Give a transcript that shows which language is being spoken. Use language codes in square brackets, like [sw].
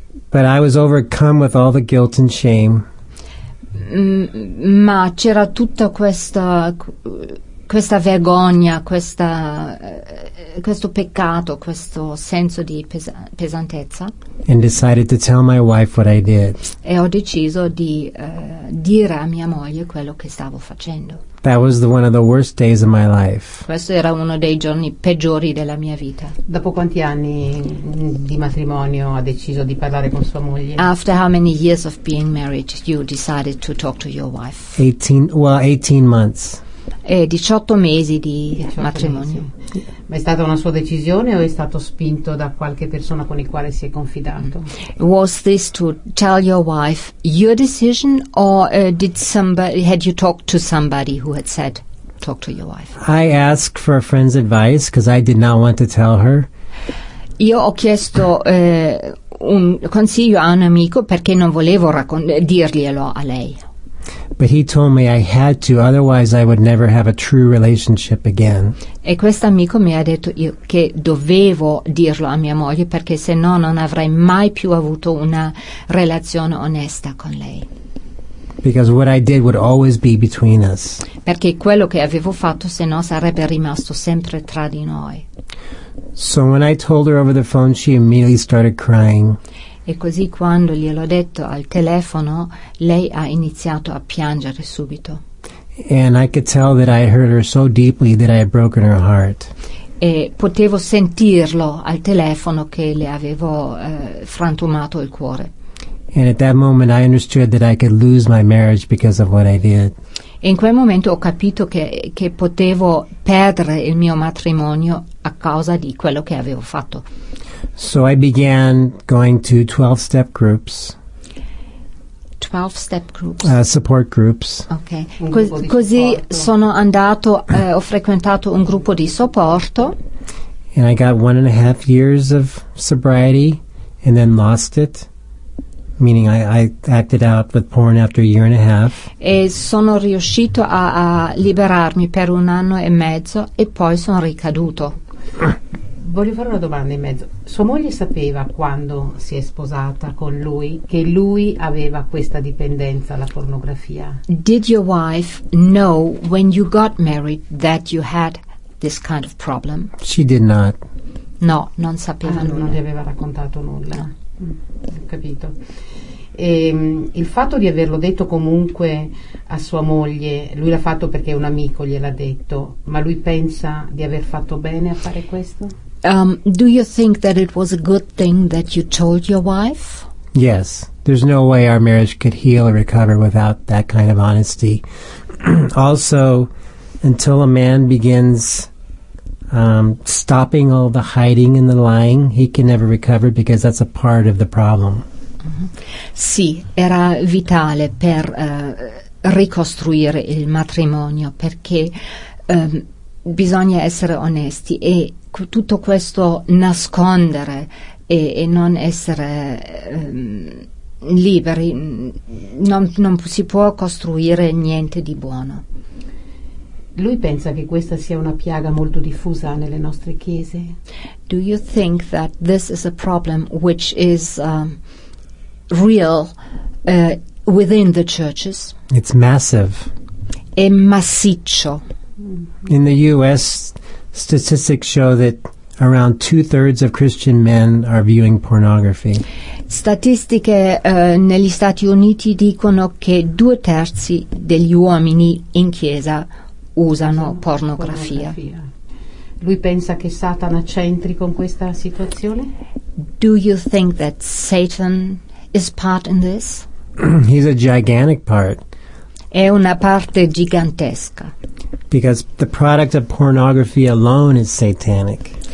[en] But I was overcome with all the guilt and shame. [it] Ma c'era tutta questa vergogna, questo peccato, questo senso di pesantezza. [en] And decided to tell my wife what I did. [it] E ho deciso di dire a mia moglie quello che stavo facendo. [en] That was one of the worst days of my life. [it] Questo era uno dei giorni peggiori della mia vita. Dopo quanti anni di matrimonio ha deciso di parlare con sua moglie? [en] After how many years of being married you decided to talk to your wife? 18 months. [it] 18 mesi di 18 matrimonio. Mesi. Ma è stata una sua decisione o è stato spinto da qualche persona con il quale si è confidato? [en] Was this to tell your wife your decision or had you talked to somebody who had said talk to your wife? I asked for a friend's advice because I did not want to tell her. [it] Io ho chiesto un consiglio a un amico perché non volevo dirglielo a lei. [en] But he told me I had to, otherwise I would never have a true relationship again. [it] E questo amico mi ha detto io che dovevo dirlo a mia moglie perché se no non avrei mai più avuto una relazione onesta con lei. [en] Because what I did would always be between us. [it] Perché quello che avevo fatto se no sarebbe rimasto sempre tra di noi. [en] So when I told her over the phone, she immediately started crying. [it] E così quando gliel'ho detto al telefono, lei ha iniziato a piangere subito. [en] And I could tell that I hurt her so deeply that I had broken her heart. [it] E potevo sentirlo al telefono che le avevo frantumato il cuore. [en] And at that moment I understood that I could lose my marriage because of what I did. [it] E in quel momento ho capito che potevo perdere il mio matrimonio a causa di quello che avevo fatto. [en] So I began going to 12-step groups. 12-step groups? Support groups. Ok. [it] Così sono andato, ho frequentato un gruppo di supporto. [en] And I got 1.5 years of sobriety and then lost it. Meaning I acted out with porn after a year and a half. [it] E sono riuscito a liberarmi per un anno e mezzo e poi sono ricaduto. Voglio fare una domanda in mezzo. Sua moglie sapeva quando si è sposata con lui che lui aveva questa dipendenza alla pornografia? [en] Did your wife know when you got married that you had this kind of problem? She did not. [it] No, non sapeva nulla. Non gli aveva raccontato nulla. No. Ho capito. E il fatto di averlo detto comunque a sua moglie, lui l'ha fatto perché un amico gliel'ha detto, ma lui pensa di aver fatto bene a fare questo? [en] Do you think that it was a good thing that you told your wife? Yes. There's no way our marriage could heal or recover without that kind of honesty. Also, until a man begins stopping all the hiding and the lying, he can never recover because that's a part of the problem. Mm-hmm. [it] Sì, era vitale per ricostruire il matrimonio perché bisogna essere onesti e tutto questo nascondere e non essere liberi non si può costruire niente di buono. Lui pensa che questa sia una piaga molto diffusa nelle nostre chiese? [en] Do you think that this is a problem which is real within the churches? It's massive. [it] È massiccio. [en] In the U.S., statistics show that around 2/3 of Christian men are viewing pornography. [it] Statistiche negli Stati Uniti dicono che 2/3 degli uomini in chiesa usano pornografia. Lui pensa che Satana c'entri con questa situazione? [en] Do you think that Satan is part in this? He's a gigantic part. [it] È una parte gigantesca. [en] Because the product of pornography alone is satanic.